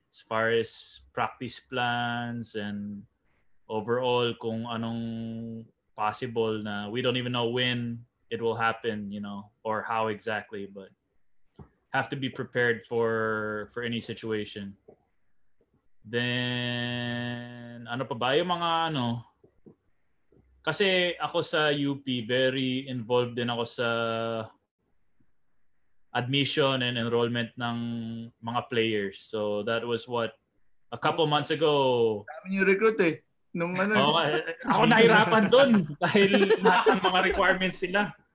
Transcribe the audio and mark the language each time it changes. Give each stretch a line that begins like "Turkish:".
English: As far as practice plans and overall kung anong possible na we don't even know when it will happen, you know, or how exactly, but have to be prepared for any situation.
Filipino: Then ano pa ba yung mga ano, kasi ako sa UP very involved din ako sa admission and enrollment ng mga players.
English: So that was what a couple months ago.
Filipino: Dami yung recruit eh. Nung ano. Ako nahirapan doon dahil lahat ng mga requirements sila.